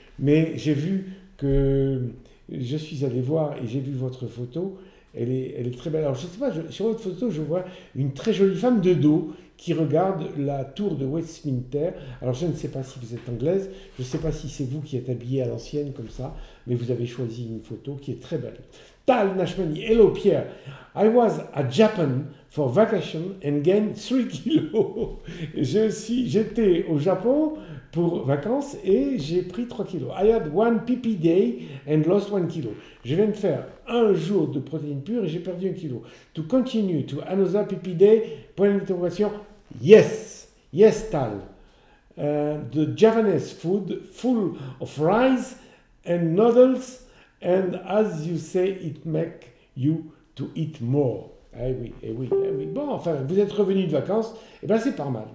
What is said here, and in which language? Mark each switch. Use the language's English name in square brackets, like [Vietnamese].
[French] Mais j'ai vu que je suis allé voir et j'ai vu votre photo. Elle est très belle. Alors, je ne sais pas, sur votre photo, je vois une très jolie femme de dos qui regarde la tour de Westminster. Alors, je ne sais pas si vous êtes anglaise, je ne sais pas si c'est vous qui êtes habillée à l'ancienne comme ça, mais vous avez choisi une photo qui est très belle. [English] Tal Nachmani, hello Pierre. I was at Japan for vacation and gained 3 kilos. [French] J'étais au Japon pour vacances et j'ai pris 3 kilos. [English] I had one PP day and lost 1 kilo. [French] Je viens de faire un jour de protéines pures et j'ai perdu 1 kilo. [English] To continue to another PP day, [French] point d'interrogation, [English] yes, yes, Tal. The Javanese food full of rice and noodles. And as you say, it make you to eat more. [French] Eh oui, eh oui, eh oui. Bon, enfin, vous êtes revenu de vacances, eh bien, c'est pas mal.